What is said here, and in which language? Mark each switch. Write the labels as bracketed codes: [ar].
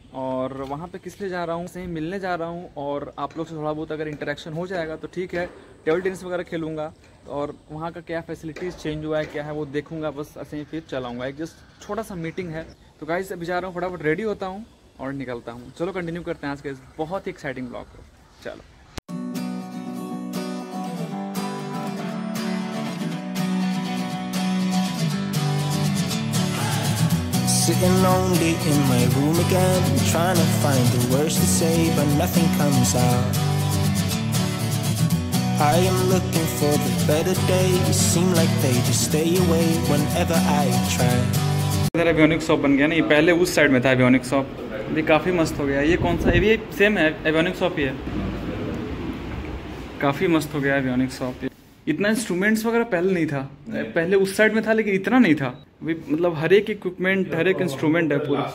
[hi] और वहाँ पे किस लिए जा रहा हूँ, से ही मिलने जा रहा हूँ, और आप लोग से थोड़ा बहुत अगर इंटरेक्शन हो जाएगा तो ठीक है, टेबल टेनिस वगैरह खेलूंगा। और वहाँ का क्या फैसिलिटीज़ चेंज हुआ है क्या है वो देखूंगा, बस ऐसे ही फिर चलाऊंगा। एक जस्ट छोटा सा मीटिंग है, तो गाइस अभी जा रहा हूँ, फटाफट रेडी होता हूँ और निकलता हूँ। चलो कंटिन्यू करते हैं आज का इस बहुत ही एक्साइटिंग ब्लॉग को। [en] चलो Sitting lonely in my room again, trying to find the words to say, but nothing comes out. I am looking for the better days, seem like they just stay away whenever I try. [hi] इधर avionic shop बन गया ना, ये पहले उस side में था avionic shop, ये काफी मस्त हो गया। ये कौन सा, ये भी सेम है, एवियोनिक शॉप ही है, काफी मस्त हो गया एवियोनिक शॉप। इतना इंस्ट्रूमेंट्स वगैरह पहले नहीं था, पहले उस साइड में था लेकिन इतना नहीं था। मतलब हर एक इक्विपमेंट, हर एक इंस्ट्रूमेंट है, पूरा